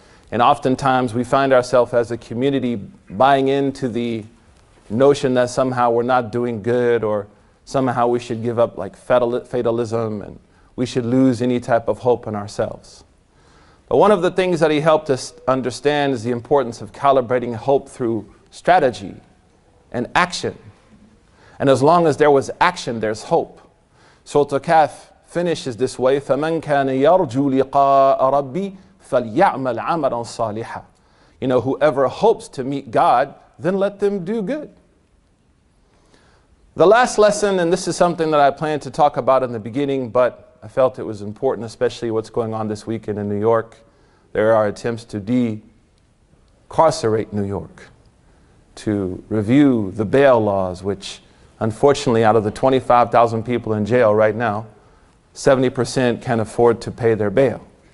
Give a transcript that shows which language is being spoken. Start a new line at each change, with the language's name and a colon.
English: And oftentimes we find ourselves as a community buying into the notion that somehow we're not doing good, or somehow we should give up, like fatalism, and we should lose any type of hope in ourselves. But one of the things that he helped us understand is the importance of calibrating hope through strategy and action. And as long as there was action, there's hope. Surah Al-Kahf finishes this way,
Arabic: فَمَنْ كَانَ يَرْجُو لِقَاءَ رَبِّي فَلْيَعْمَلْ عَمَلًا صَالِحًا.
English: You know, whoever hopes to meet God, then let them do good. The last lesson, and this is something that I planned to talk about in the beginning, but I felt it was important, especially what's going on this weekend in New York. There are attempts to decarcerate New York, to review the bail laws, which unfortunately, out of the 25,000 people in jail right now, 70% can't afford to pay their bail.